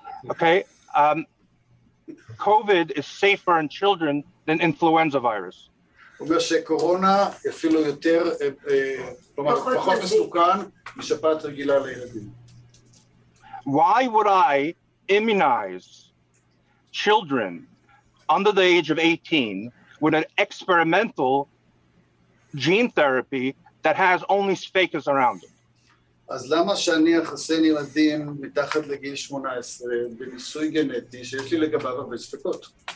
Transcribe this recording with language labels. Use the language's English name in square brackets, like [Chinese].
[English] Okay, COVID is safer in children than influenza virus. [Hebrew] הוא אומר שקורונה אפילו יותר, כלומר, פחות מסוכן משפעת רגילה לילדים. [English] Why would I immunize children under the age of 18 with an experimental gene therapy that has only spikes around it? [Hebrew] אז למה שאני אחסן ילדים מתחת לגיל 18 בניסוי גנטי שיש לי לגביו הרבה ספקות?